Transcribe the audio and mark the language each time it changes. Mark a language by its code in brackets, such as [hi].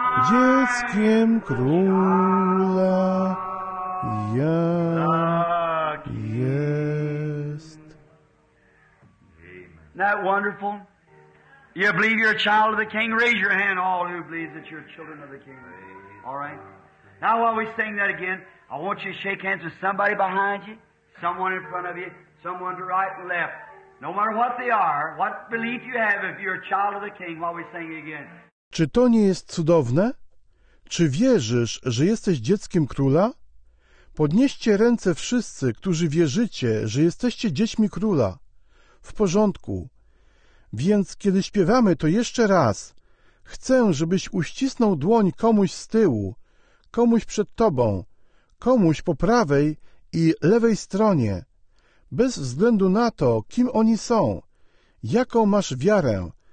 [pl] dzieckiem króla ja jest. [en] Isn't that wonderful? You believe you're a child of the King? Raise your hand, all who believe that you're children of the King. All right? Now while we sing that again, I want you to shake hands with somebody behind you, someone in front of you, someone to right and left. No matter what they are, what belief you have, if you're a child of the King, while we sing it again. [pl] Czy to nie jest cudowne? Czy wierzysz, że jesteś dzieckiem króla? Podnieście ręce wszyscy, którzy wierzycie, że jesteście dziećmi króla. W porządku. Więc kiedy śpiewamy to jeszcze raz, chcę, żebyś uścisnął dłoń komuś z tyłu, komuś przed tobą, komuś po prawej i lewej stronie, bez względu na to, kim oni są, jaką masz wiarę.